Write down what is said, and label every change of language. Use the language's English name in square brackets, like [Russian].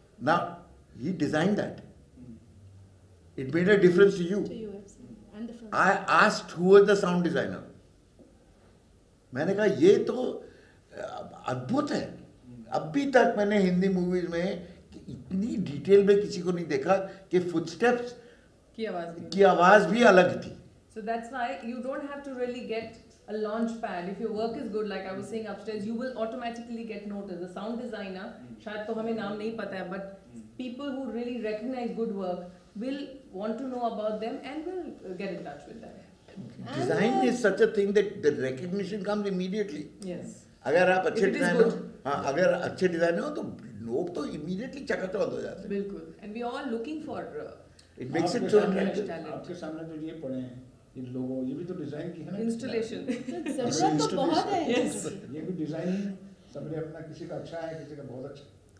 [Hindi] ना ही [English] design that it made a difference to you I asked who was the sound designer [Hindi] मैंने कहा ये तो अद्भुत है अभी तक मैंने हिंदी मूवीज में इतनी डिटेल में किसी को नहीं देखा कि फुटस्टेप्स की आवाज भी अलग थी [English] So that's why you don't have to really get a launch pad. If your work is good, like I was saying upstairs, you will automatically get noticed. A sound designer, [Hindi] shayad to hame naam nahi pata hai, [English] but people who really recognize good work will want to know about them and will get in touch with them. Design is such a thing that the recognition comes immediately. Yes. [Hindi] अगर आप अच्छे designer हाँ अगर अच्छे designer हो तो लोग तो इमीडिएटली चकत हो जाते हैं [English] बिल्कुल and we all looking for it makes it so [Hindi] attractive आपके सामने जो ये पड़े हैं इन लोगों ये भी तो डिजाइन की है ना [English] installation [Hindi] जरूरत तो बहुत है [English] yes [Hindi] ये भी डिजाइन सबने अपना किसी का अच्छा है किसी का बहुत अच्छा